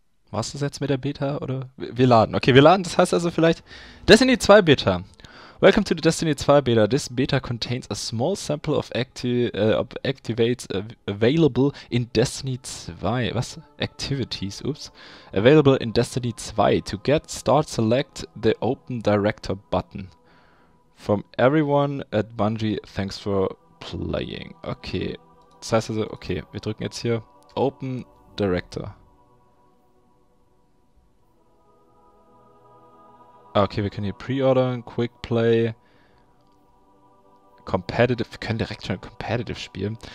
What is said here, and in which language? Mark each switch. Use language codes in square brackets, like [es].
[de] Was ist jetzt mit der Beta? Oder? Wir laden. Okay, wir laden. Das heißt also vielleicht Destiny 2 Beta. [en] Welcome to the Destiny 2 Beta. This beta contains a small sample of activates available in Destiny 2. [de] Was? [en] Activities, oops. Available in Destiny 2. To get start, select the Open Director button. From everyone at Bungie, thanks for playing. Okay. [de] Das heißt also, okay, wir drücken jetzt hier Open Director. Okay, wir können hier pre-ordern, Quick Play, Competitive, wir können direkt schon Competitive spielen.